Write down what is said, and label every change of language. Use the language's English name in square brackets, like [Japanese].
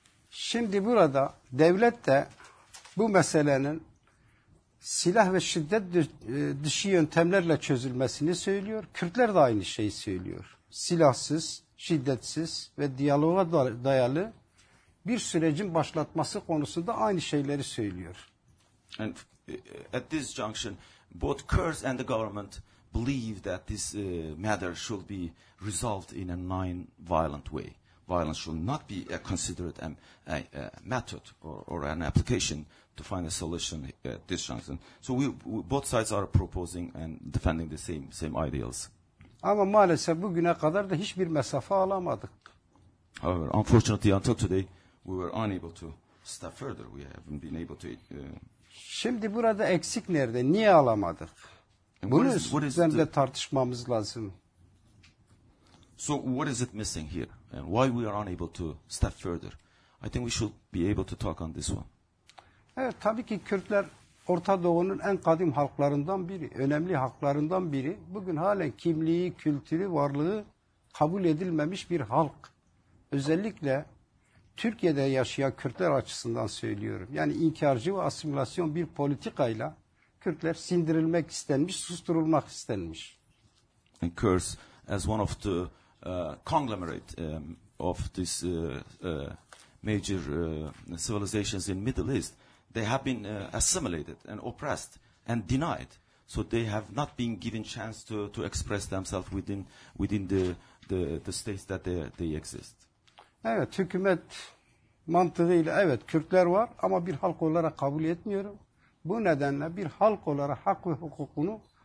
[Turkish] Şimdi burada devlet de bu meselenin silah ve şiddet dışı yöntemlerle çözülmesini söylüyor. Kürtler de aynı şeyi söylüyor. Silahsız, şiddetsiz ve diyaloğa dayalı bir sürecin başlatması konusunda aynı şeyleri söylüyor. [English] And at this junction, both Kurds and the government believe that this matter should be resolved in a non-violent way. Violence should not be considered a method or an application to find a solution at this junction. So we both sides are proposing and defending the same ideals. [Turkish] Ama maalesef bugüne kadar da hiçbir mesafe alamadık. [English] However, unfortunately, until today, we were unable to step further. We haven't been able to. [Turkish] Şimdi burada eksik nerede? Niye alamadık? Bunu üzerinde tartışmamız lazım. [English] So what is it missing here? And why we are unable to step further? I think we should be able to talk on this one. [Turkish] Evet, tabii ki Kürtler Orta Doğu'nun en kadim halklarından biri, önemli halklarından biri. Bugün halen kimliği, kültürü, varlığı kabul edilmemiş bir halk. Özellikle Türkiye'de yaşayan Kürtler açısından söylüyorum. Yani inkarcı ve asimilasyon bir politikayla Kürtler sindirilmek istenmiş, susturulmak istenmiş. [English] And Kurds, as one of the conglomerate of this major civilizations in Middle East, they have been assimilated and oppressed and denied. So they have not been given chance to express themselves within the states that they exist. [Turkish] Evet, hükümet mantığıyla evet Kürtler var ama bir halk olarak kabul etmiyorum. Bu nedenle bir halk olarak hak ve hukukunu